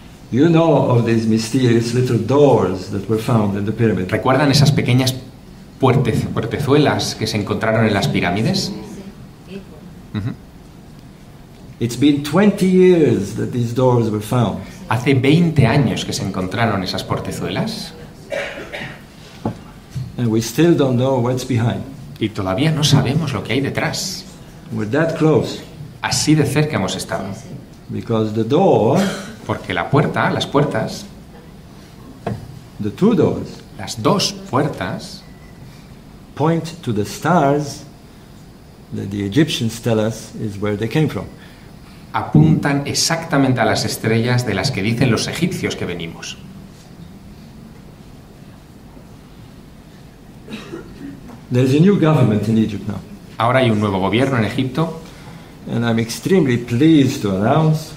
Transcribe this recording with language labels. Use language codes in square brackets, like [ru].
[en] You know of these mysterious little doors that were found in the pyramid. [es] ¿Recuerdan esas pequeñas puertezuelas que se encontraron en las pirámides? Uh-huh. [en] It's been 20 years that these doors were found. [es] Hace 20 años que se encontraron esas puertezuelas. [en] And we still don't know what's behind. [es] Y todavía no sabemos lo que hay detrás. [en] We're that close. [es] Así de cerca hemos estado. [en] Because the door, [es] porque la puerta, las puertas, [en] the two doors, [es] las dos puertas, [en] point to the stars that the Egyptians tell us is where they came from. [es] Apuntan exactamente a las estrellas de las que dicen los egipcios que venimos. [en] There's a new government in Egypt now. [es] Ahora hay un nuevo gobierno en Egipto. [en] And I'm extremely pleased to announce,